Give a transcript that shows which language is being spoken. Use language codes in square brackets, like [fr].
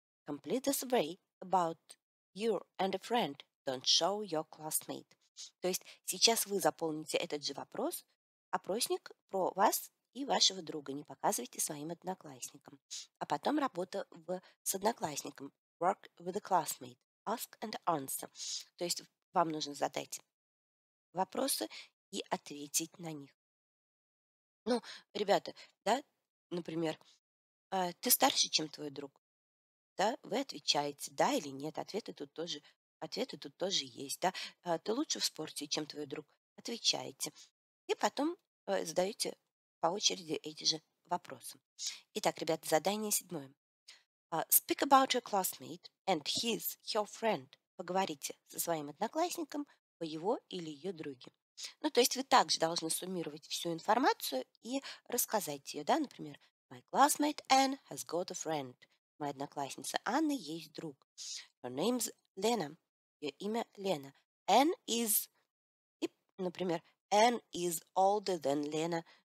[en] Complete the survey about you and a friend. Don't show your classmate. [ru] То есть сейчас вы заполните этот же вопрос. Опросник про вас и вашего друга. Не показывайте своим одноклассникам. А потом работа с одноклассником. [en] Work with a classmate. Ask and answer. [ru] То есть вам нужно задать вопросы и ответить на них. Ну, ребята, да, например, ты старше, чем твой друг, да, вы отвечаете, да или нет, ответы тут тоже есть, да. Ты лучше в спорте, чем твой друг, отвечаете. И потом задаете по очереди эти же вопросы. Итак, ребята, задание седьмое. [en] Speak about your classmate and his, her friend. [ru] Поговорите со своим одноклассником по его или ее друге. Ну, то есть вы также должны суммировать всю информацию и рассказать ее, да, например, [en] my classmate Anne has got a friend. [ru] Моя одноклассница Анна есть друг. Her name's Lena. Ее имя Лена. Anne is, и, например, Anne is older than Lena.